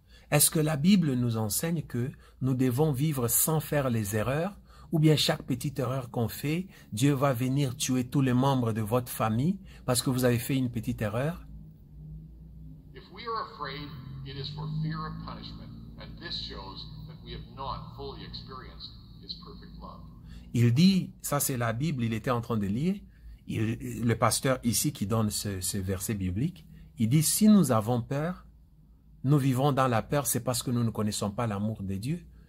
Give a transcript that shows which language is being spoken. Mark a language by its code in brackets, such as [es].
[fr] Est-ce que la Bible nous enseigne que nous devons vivre sans faire les erreurs, ou bien chaque petite erreur qu'on fait, Dieu va venir tuer tous les membres de votre famille parce que vous avez fait une petite erreur? [en] If we are afraid, it is for fear of punishment, and this shows that we have not fully experienced his perfect love. [fr] Il dit, ça c'est la Bible, il était en train de lire, le pasteur ici qui donne ce verset biblique, il dit, si nous avons peur, nous vivons dans la peur, c'est parce que nous ne connaissons pas l'amour des dieux.